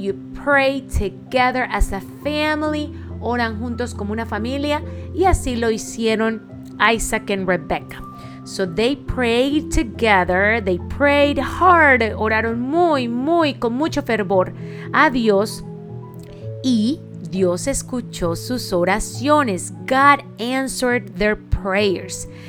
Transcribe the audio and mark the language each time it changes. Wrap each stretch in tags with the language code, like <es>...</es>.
<en>You pray together as a family.</en> <es>Oran juntos como una familia. Y así lo hicieron Isaac and Rebecca.</es> <en>So they prayed together. They prayed hard.</en> <es>Oraron muy, muy, con mucho fervor a Dios. Y Dios escuchó sus oraciones.</es> <en>God answered their prayers.</en>